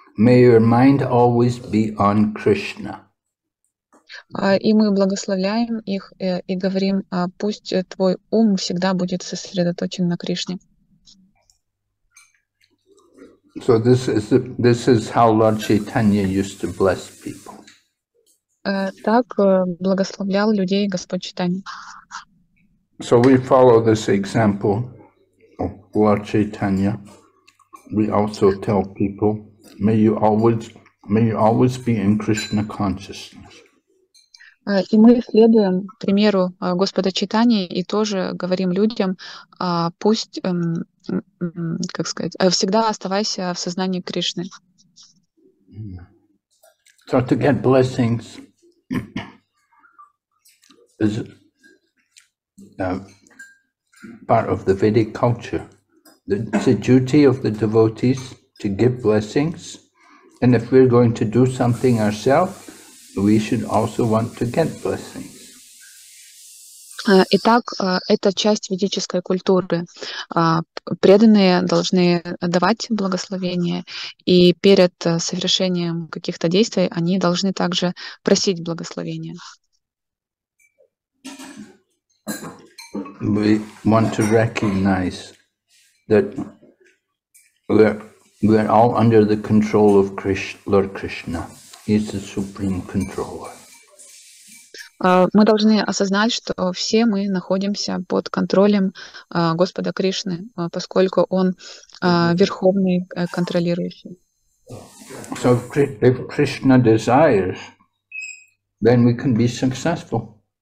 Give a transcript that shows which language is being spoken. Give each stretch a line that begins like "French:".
English: May your mind always be on Krishna.
Russian: И мы благословляем их и говорим, пусть твой ум всегда будет сосредоточен на Кришне.
English: So this is how Lord Chaitanya used to bless people.
Russian: Так благословлял людей Господь Чайтанья.
English: So we follow this example of Lord Chaitanya. We also tell people, may you always be in Krishna consciousness.
Russian: И мы следуем примеру Господа Чайтаньи и тоже говорим людям, пусть, как сказать, всегда оставайся в сознании Кришны.
English: So to get blessings is part of the Vedic culture. It's the duty of the devotees to give blessings, and if we're going to do something ourselves, we should also want to get blessings.
Russian: Итак, это часть ведической культуры. преданные должны давать благословение, и перед совершением каких-то действий они должны также просить благословения.
English: We want to recognize that we're all under the control of Krishna, Lord Krishna. He's the supreme controller.
Russian: Мы должны осознать, что все мы находимся под контролем Господа Кришны, поскольку Он верховный контролирующий.
English: So if Krishna desires, then we can be successful.